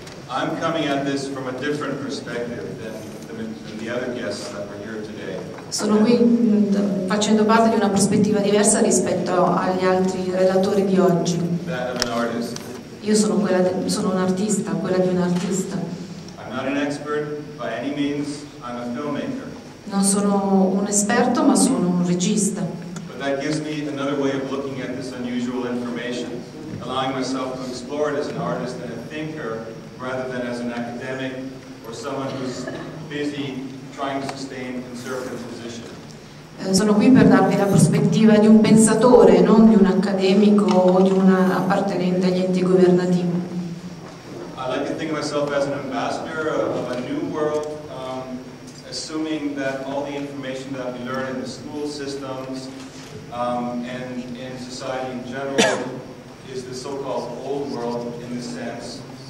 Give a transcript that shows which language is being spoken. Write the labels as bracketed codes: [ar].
[en] I'm coming at this from a different perspective than the other guests that were here today. [it] Sono qui facendo parte di una prospettiva diversa rispetto agli altri relatori di oggi. [en] That of an artist. [it] Io sono un artista, quella di un artista. [en] I'm not an expert by any means, I'm a filmmaker. [it] Non sono un esperto, ma sono un regista. [en] But that gives me another way of looking at this unusual information, allowing myself to explore it as an artist and a thinker, rather than as an academic or someone who's busy trying to sustain conservative position. [it] Sono qui per darvi la prospettiva di un pensatore, non di un accademico o di un appartenente agli enti governativi. [en] I like to think of myself as an ambassador of a new world, assuming that all the information that we learn in the school systems and in society in general is the so-called old world in the sense.